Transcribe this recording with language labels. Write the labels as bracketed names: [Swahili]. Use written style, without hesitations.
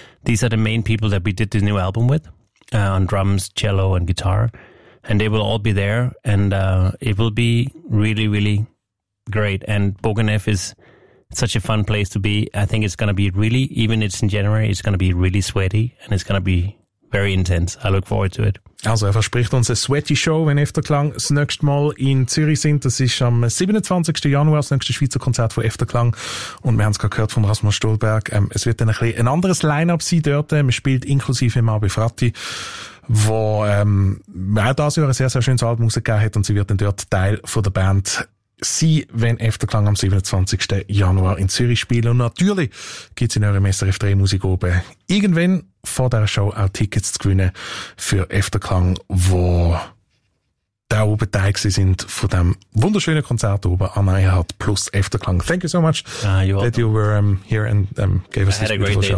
[English] These are the main people that we did the new album with, on drums, cello, and guitar. And they will all be there, and it will be really, really great. And Bogenef is such a fun place to be. I think it's going to be really, even if it's in January, it's going to be really sweaty, and it's going to be very intense. I look forward to it. [German] Also, er verspricht uns eine sweaty Show, wenn Efterklang das nächste Mal in Zürich sind. Das ist am 27. Januar, das nächste Schweizer Konzert von Efterklang. Und wir haben es gerade gehört von Rasmus Stolberg. Es wird dann ein anderes Line-up sein dort. Man spielt inklusive Mabe Frati, wo auch das Jahr ein sehr, sehr schönes Album rausgegeben hat. Und sie wird dann dort Teil von der Band sein, wenn Efterklang am 27. Januar in Zürich spielt. Und natürlich gibt es in eurem SRF 3 Musik oben irgendwann vor dieser Show auch Tickets zu gewinnen für Efterklang, wo da oben Teil gewesen sind von dem wunderschönen Konzert oben Anna Earhart plus Efterklang. [English] Thank you so much that you were here and gave us this beautiful show.